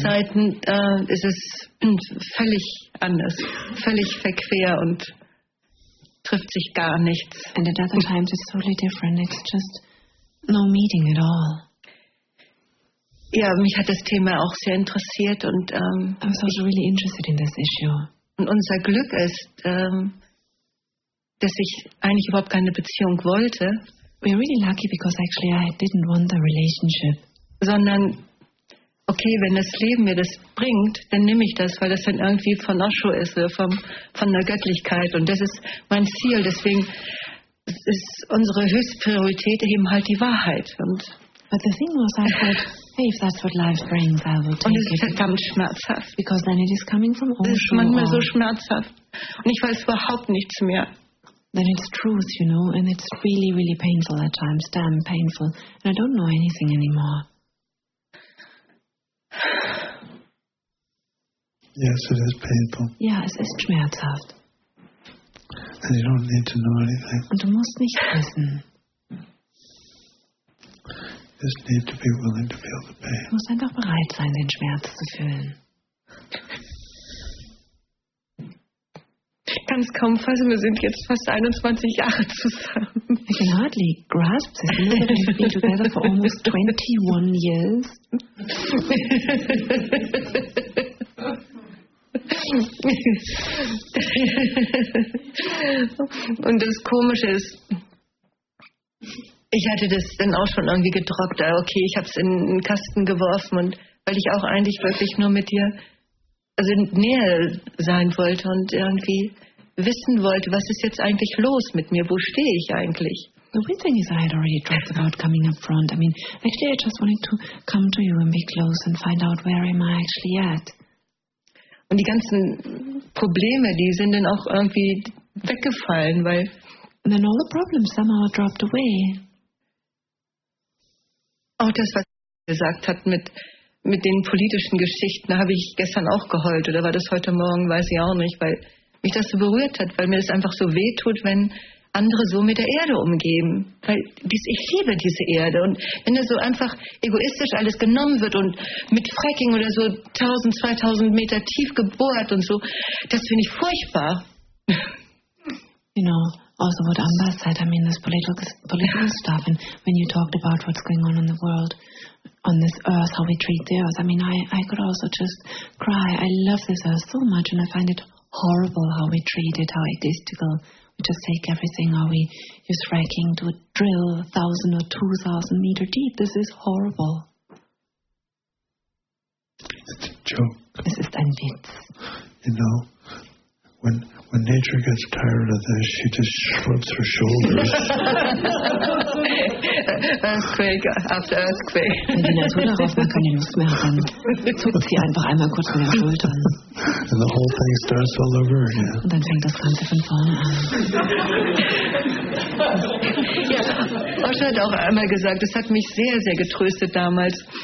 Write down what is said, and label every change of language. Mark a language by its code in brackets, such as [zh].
[de] Zeiten ist es völlig anders, völlig verquer und trifft sich gar nichts. [en] And at other times it's totally different. It's just no meeting at all. [de] Ja, mich hat das Thema auch sehr interessiert und [en] I was also really interested in this issue. [de] Und unser Glück ist, dass ich eigentlich überhaupt keine Beziehung wollte. [en] We're really lucky because actually I didn't want the relationship. [de] Sondern, okay, wenn das Leben mir das bringt, dann nehme ich das, weil das dann irgendwie von Osho ist, von der Göttlichkeit. Und das ist mein Ziel. Deswegen ist unsere höchste Priorität eben halt die Wahrheit. Und [en] but the thing was, I thought, hey, if that's what life brings, I will take [de] it. Und es ist verdammt schmerzhaft. [en] Because then it is coming from Osho. [de] Es ist manchmal so schmerzhaft. Und ich weiß überhaupt nichts mehr. [en] Then it's truth, you know, and it's really, really painful at times, damn painful. And I don't know anything anymore. Yes, it is painful. [de] Ja, es ist schmerzhaft. [en] And you don't need to know anything. [de] Und du musst nicht wissen. [en] You just need to be willing to feel the pain. [de] Du musst einfach bereit sein, den Schmerz zu fühlen. Ich kann es kaum fassen, wir sind jetzt fast 21 Jahre zusammen. [en] I can hardly grasp this. We've been together for almost 21 years. [de] Und das Komische ist, ich hatte das dann auch schon irgendwie gedroppt. Okay, ich habe es in den Kasten geworfen, und weil ich auch eigentlich wirklich nur mit dir also näher sein wollte und irgendwie wissen wollte, was ist jetzt eigentlich los mit mir, wo stehe ich eigentlich? [en] The weird thing is I had already dropped about coming up front. I mean, actually I just wanted to come to you and be close and find out where am I actually at. [de] Und die ganzen Probleme, die sind dann auch irgendwie weggefallen, weil [en] and then all the problems somehow dropped away. [de] Auch das, was er gesagt hat mit den politischen Geschichten, habe ich gestern auch geheult, oder war das heute Morgen, weiß ich auch nicht, weil mich das so berührt hat, weil mir das einfach so weh tut, wenn andere so mit der Erde umgehen. Weil ich liebe diese Erde. Und wenn das so einfach egoistisch alles genommen wird und mit Fracking oder so 1000, 2000 Meter tief gebohrt und so, das finde ich furchtbar. [en] You know, also what Amber said, I mean, this political stuff, and when you talked about what's going on in the world, on this earth, how we treat the earth, I mean, I could also just cry. I love this earth so much and I find it horrible how we treat it, how egotistical. We just take everything, how we use fracking to drill 1,000 or 2,000 meter deep. This is horrible. It's a joke. [de] Es ist ein Witz. [en] You know, when nature gets tired of this, she just shrugs her shoulders. Earthquake after earthquake. [de] Wenn die Natur darauf macht, kann die Lust mehr haben. Zuckt sie einfach einmal kurz mit den Schultern. [en] And the whole thing starts all over again. [de] Und dann fängt das Ganze von vorne an. Ja, Osho hat auch einmal gesagt, das hat mich sehr, sehr getröstet damals.